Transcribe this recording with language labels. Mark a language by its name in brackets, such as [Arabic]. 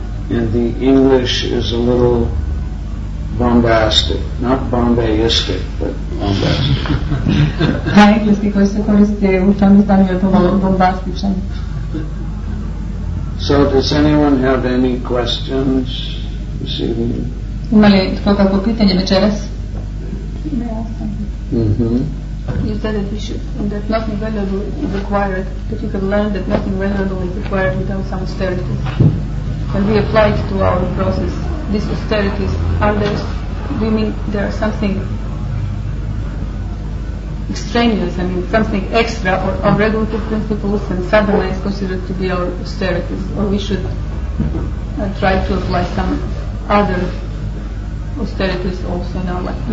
[English] And the English is a little bombastic, not bombayistic, but bombastic. [Croatian] Da, engleski koji se koriste u tom izdanju je pomalo bombastičan. [English] So, does anyone have any questions this evening? [Croatian] Ima li tko kako pitanje večeras? Ne, ja sam. [English] You said that, that nothing valuable is acquired, that you can learn that nothing valuable is acquired without some austerities. When we apply it to our process, these austerities, are there, do you mean there are something extraneous, I mean something extra or regulative principles and suddenly is considered to be our austerities, or we should try to apply some other austerities also in our life?